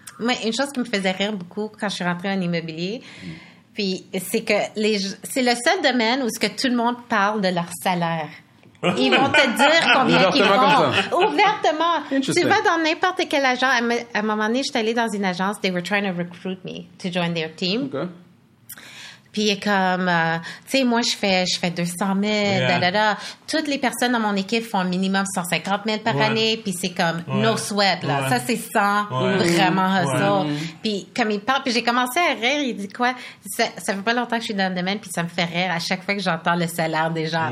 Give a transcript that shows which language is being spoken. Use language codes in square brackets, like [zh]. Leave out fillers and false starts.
[fr] Moi, une chose qui me faisait rire beaucoup quand je suis rentrée en immobilier, puis c'est que c'est le seul domaine où ce que tout le monde parle de leur salaire. Ils vont te dire combien ils font. Ouvertement. Tu vas dans n'importe quel agent. À un moment donné, je suis allée dans une agence. [en] They were trying to recruit me to join their team. Okay. [fr] Puis il est comme, tu sais, moi, je fais 200 000, da-da-da. Toutes les personnes dans mon équipe font minimum 150 000 par année, puis c'est comme no sweat, là. Ça, c'est sans vraiment hustle. Puis comme il parle, puis j'ai commencé à rire, il dit quoi? Ça fait pas longtemps que je suis dans le domaine, puis ça me fait rire à chaque fois que j'entends le salaire des gens.